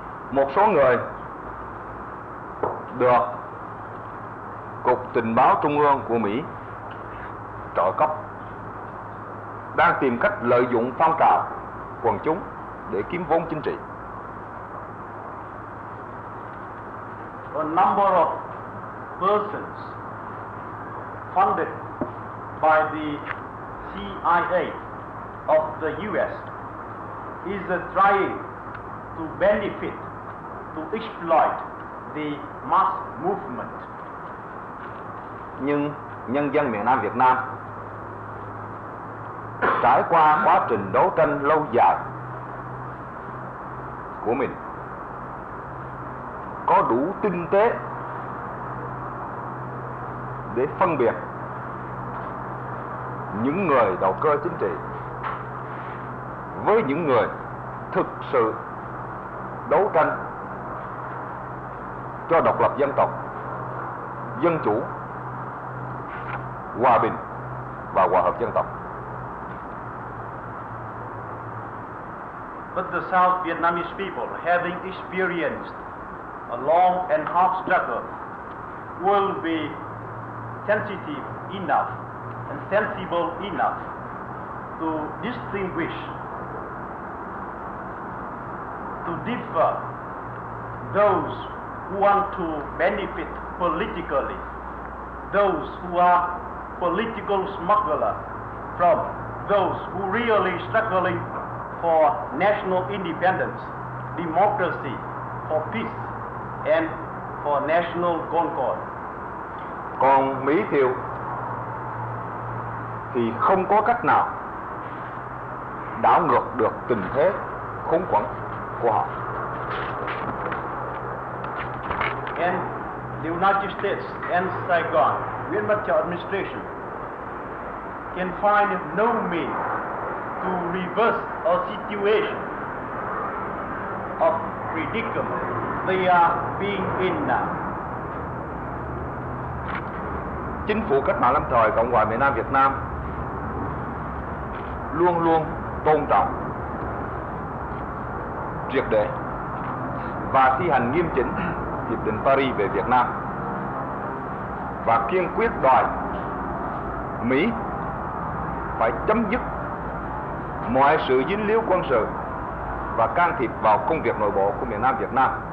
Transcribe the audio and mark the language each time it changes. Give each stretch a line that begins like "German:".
Vietnamese: Một số người được Cục Tình báo Trung ương của Mỹ trợ cấp đang tìm cách lợi dụng phong trào quần chúng để kiếm vốn chính trị.
English: A number of persons funded by the CIA of the US is trying to benefit, to exploit the mass movement.
Vietnamese: Nhưng nhân dân miền Nam Việt Nam trải qua quá trình đấu tranh lâu dài của mình, có đủ tinh tế để phân biệt những người đầu cơ chính trị với những người thực sự đấu tranh cho độc lập dân tộc, dân chủ, hòa bình và hòa hợp dân tộc.
English: But the South Vietnamese people, having experienced a long and hard struggle, will be sensitive enough and sensible enough to distinguish, to differ those who want to benefit politically, those who are political smugglers, from those who really struggling for national independence, democracy, for peace, and for national concord.
Vietnamese: Còn Mỹ Thiệu thì không có cách nào đảo ngược được tình thế khốn quẫn của họ.
English: And the United States and Saigon, Nguyễn Văn Thiệu administration, can find no means to reverse a situation of predicament they are being in now.
Vietnamese: Chính phủ cách mạng lâm thời Cộng hòa miền Nam Việt Nam luôn luôn tôn trọng triệt để và thi hành nghiêm chỉnh Hiệp định Paris về Việt Nam và kiên quyết đòi Mỹ phải chấm dứt mọi sự dính líu quân sự và can thiệp vào công việc nội bộ của miền Nam Việt Nam,